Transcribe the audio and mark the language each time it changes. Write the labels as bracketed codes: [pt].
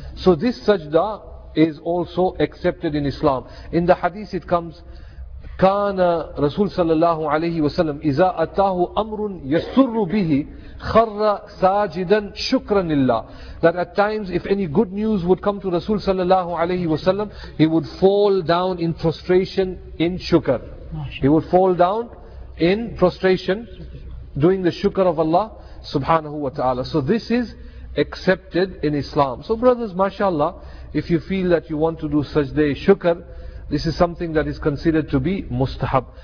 [en] So this sajda is also accepted in Islam. In the hadith it comes, [ar] كَانَ رَسُولُ صَلَى اللَّهُ عَلَيْهِ وَسَلَمْ إِذَا أَتَاهُ أَمْرٌ يَسُرُّ بِهِ خَرَّ سَاجِدًا شُكْرًا لِلَّهِ. [en] That at times if any good news would come to Rasul [ar] صَلَى اللَّهُ عَلَيْهِ وَسَلَمْ, [en] he would fall down in prostration in shukr. He would fall down in prostration doing the shukr of Allah subhanahu wa ta'ala. So this is accepted in Islam. So brothers, mashallah, if you feel that you want to do sajda shukr, this is something that is considered to be mustahab.